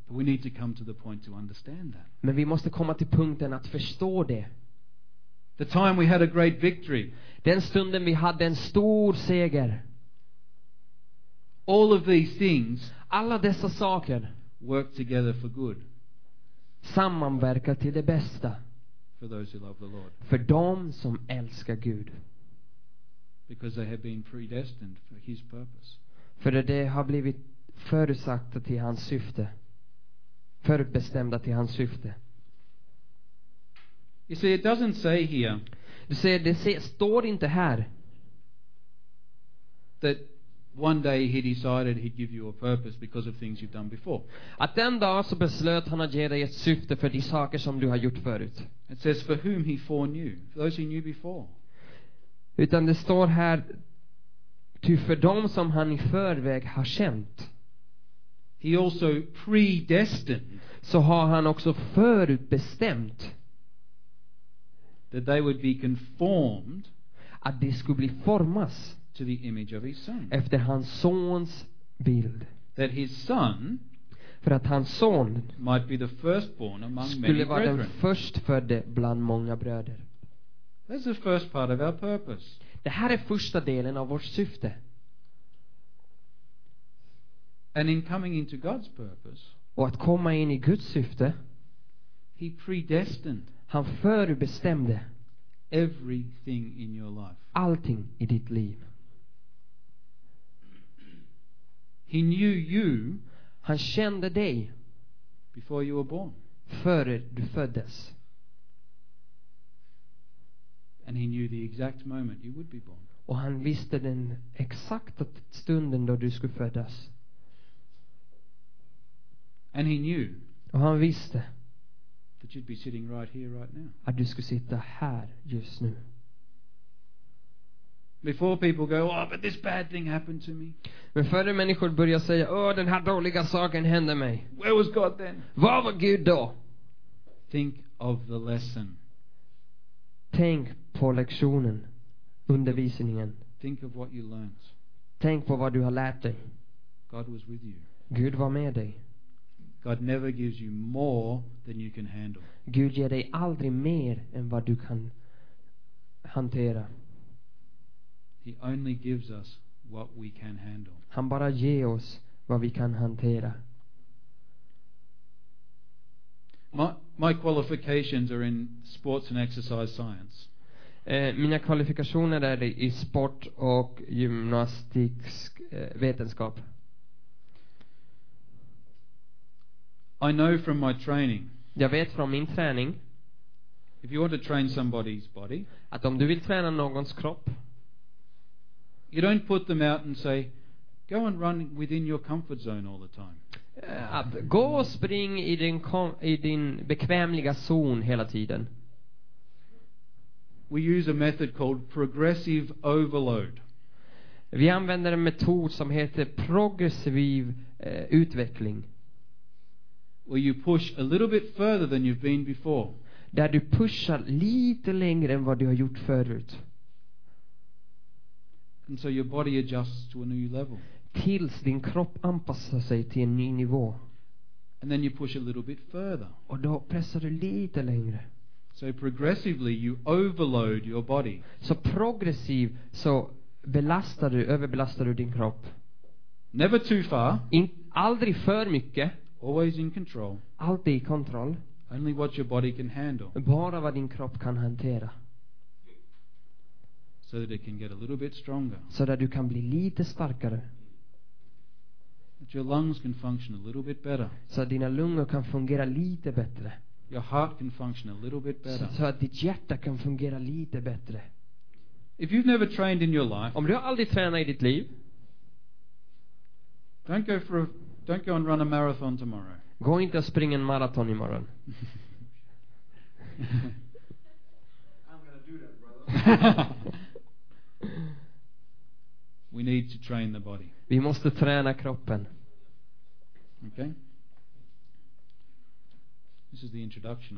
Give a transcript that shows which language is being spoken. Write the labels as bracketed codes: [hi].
[en] We need to come to the point to understand that. [sv] Men vi måste komma till punkten att förstå det. [en] The time we had a great victory. [sv] Den stunden vi hade en stor seger. [en] All of these things. [sv] Alla dessa saker. [en] Work together for good. [sv] Sammanverkar till det bästa. [en] For those who love the Lord. [sv] För dem som älskar Gud. [en] Because they have been predestined for his purpose. [sv] För att de har blivit förutsatta till hans syfte. Förutbestämda till hans syfte. [en] You see, it doesn't say here. [sv] Du ser, det står inte här. [en] That one day he decided he'd give you a purpose because of things you've done before. [sv] Att den dag så beslöt han att ge dig ett syfte för de saker som du har gjort förut. [en] It says for whom he foreknew, for those he knew before. [sv] Utan det står här, ty för dem som han i förväg har känt. [en] He also predestined. [sv] Så har han också förutbestämt. [en] That they would be conformed. [sv] Att de skulle bli formas. [en] To the image of his son. [sv] Efter hans sons bild. [en] That his son. [sv] För att hans son. [en] Might be the firstborn among many brethren. [sv] Skulle vara den förstfödde bland många bröder. [en] That's the first part of our purpose. [sv] Det här är första delen av vårt syfte. [en] And in coming into God's purpose. [sv] Och att komma in i Guds syfte. [en] He predestined. [sv] Han förbestämde. [en] Everything in your life. [sv] Allting i ditt liv. [en] He knew you. [sv] Han kände dig. [en] Before you were born. [sv] Före du föddes. [en] And he knew the exact moment you would be born. [sv] Och han visste den exakta stunden då du skulle födas. [en] And he knew. [sv] Och han visste. [en] That you'd be sitting right here right now. [sv] Att du skulle sitta här just nu. [en] Before people go, oh, but this bad thing happened to me. [sv] Men före människor börjar säga, åh, den här dåliga saken hände mig. [en] Where was God then? [sv] Var var Gud då? [en] Think of the lesson. [sv] Tänk på lektionen, undervisningen. [en] Think of what you learned. [sv] Tänk på vad du har lärt dig. [en] God was with you. [sv] Gud var med dig. [en] God never gives you more than you can handle. [sv] Gud ger dig aldrig mer än vad du kan hantera. [en] He only gives us what we can handle. [sv] Han bara ger oss vad vi kan hantera. [en] My qualifications are in sports and exercise science. [sv] Mina kvalifikationer är i sport och gymnastik vetenskap. [en] I know from my training. [sv] Jag vet från min träning. [en] If you want to train somebody's body, [sv] att om du vill träna någons kropp, [en] you don't put them out and say, go and run within your comfort zone all the time. [sv] Gå och spring i din bekvämliga zon hela tiden. [en] We use a method called progressive overload. [sv] Vi använder en metod som heter progressiv utveckling. [en] Where you push a little bit further than you've been before. [sv] Där du pushar lite längre än vad du har gjort förut. [en] And so your body adjusts to a new level. [sv] Tills din kropp anpassar sig till en ny nivå. [en] And then you push a little bit further. [sv] Och då pressar du lite längre. [en] So progressively you overload your body. [sv] Så progressivt så överbelastar du din kropp. [en] Never too far. [sv] Aldrig för mycket. [en] Always in control. [sv] Alltid i kontroll. [en] Only what your body can handle. [sv] Bara vad din kropp kan hantera. [en] So that it can get a little bit stronger. [sv] Så att du kan bli lite starkare. [en] That your lungs can function a little bit better. [sv] Så att dina lungor kan fungera lite bättre. [en] Your heart can function a little bit better. [sv] Så att ditt hjärta kan fungera lite bättre. [en] If you've never trained in your life. [sv] Om du aldrig tränat i ditt liv. [en] Don't go and run a marathon tomorrow. [sv] Gå inte och spring en maraton imorgon. [en] I'm gonna do that, brother. We need to train the body. [sv] Vi måste träna kroppen. [en] Okay. This is the introduction.